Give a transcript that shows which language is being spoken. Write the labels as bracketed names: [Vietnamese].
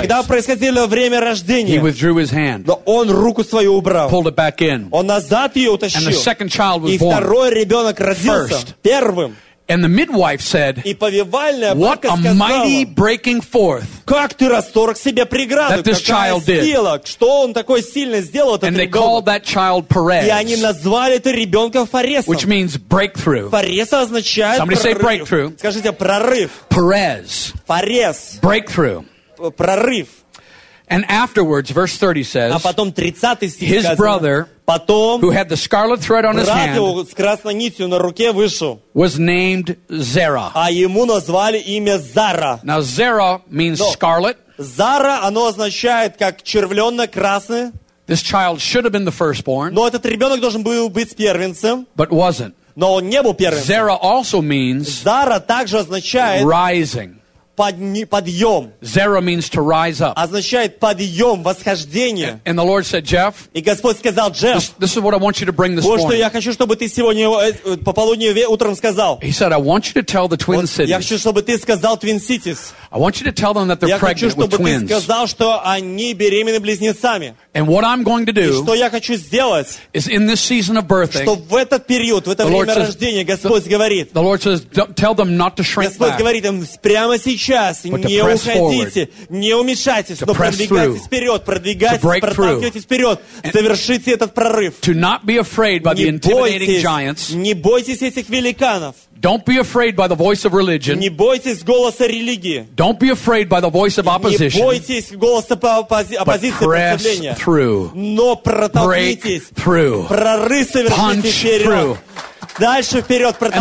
[Russian] когда происходило время рождения, [English] he withdrew his hand. [Russian] Но он руку свою убрал. [English] Pulled it back in. [Russian] Он назад ее утащил. [English] And the second child was [Russian] и [English] born. [Russian] И второй ребенок родился [English] first. [Russian] Первым. [English] And the midwife said, what a mighty breaking forth that this child did. And they called that child Perez, which means breakthrough. Somebody say breakthrough. Perez. Breakthrough. And afterwards, verse 30 says, [Russian] а потом 30 стих [English] his [Russian] сказано, [English] brother, [Russian] потом, [English] who had the scarlet thread on his hand, [Russian] с красной нитью на руке вышел, [English] was named Zerah. [Russian] А ему назвали имя Зара. [English] Now Zerah means [Russian] но, [English] scarlet. [Russian] Зара, оно означает как червленно-красное. [English] This child should have been the firstborn. [Russian] Но этот ребенок должен был быть первенцем. [English] But wasn't. [Russian] Но он не был первенцем. [English] Zerah also means [Russian] Зара также означает [English] rising. [Russian] Подъем. [English] Zerah means to rise up. [Russian] Означает подъем, восхождение. [English] And the Lord said, Jeff, [Russian] и Господь сказал, Джефф, [English] this is what I want you to bring this morning. [Russian] Вот что я хочу, чтобы ты сегодня пополудню утром сказал. [English] He said, I want you to tell the Twin Cities. [Russian] Я хочу, чтобы ты сказал Twin Cities. [English] I want you to tell them that they're pregnant with twins. [Russian] Я хочу, чтобы ты сказал, что они беременны близнецами. [English] And what I'm going to do [Russian] что я хочу сделать, [English] is in this season of birthing, [Russian] что в этот период, в это время [English] says, [Russian] рождения, Господь [English] the, [Russian] говорит, [English] the Lord says, tell them not to shrink [Russian] Господь [English] back, [Russian] говорит им, прямо сейчас, не уходите, [English] forward, [Russian] не уменьшайтесь, но продвигайтесь вперед, продвигайтесь, проталкивайтесь вперед, завершите этот прорыв. [English] To not be afraid by the intimidating giants, [Russian] не бойтесь этих великанов. [English] Don't be afraid by the voice of religion. [Russian] Не бойтесь голоса религии. [English] Don't be afraid by the voice of opposition. [Russian] Не бойтесь голоса оппозиции, сопротивления. [English] Press through. [Russian] Но протолкнитесь. [English] Break through. [Russian] Прорыв совершите вперед. [English] Punch through. [Russian] Дальше вперед протолкнитесь.